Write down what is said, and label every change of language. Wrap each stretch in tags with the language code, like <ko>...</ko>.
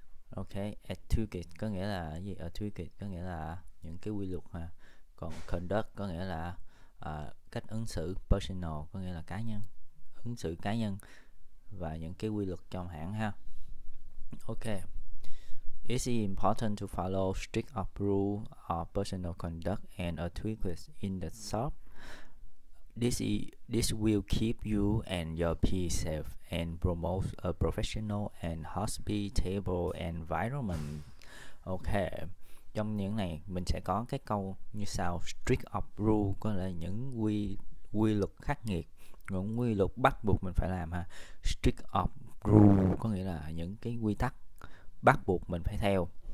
<vi>Ok, etiquette có nghĩa là gì? Etiquette có nghĩa là những cái quy luật ha. Còn conduct có nghĩa là cách ứng xử, personal có nghĩa là cá nhân. Ứng xử cá nhân và những cái quy luật trong hãng ha. Ok.</vi> <en>It's important to follow strict rules of personal conduct and etiquette in the shop. This will keep you and your peers safe and promote a professional and hospitable environment. Ok.</en> <vi>Trong những này mình sẽ có cái câu như sau:</vi> <en>strict of rule</en> <vi>có là những quy luật khắc nghiệt, những quy luật bắt buộc mình phải làm ha.</vi> <en>Strict of rule</en> <vi>có nghĩa là những cái quy tắc bắt buộc mình phải theo.</vi>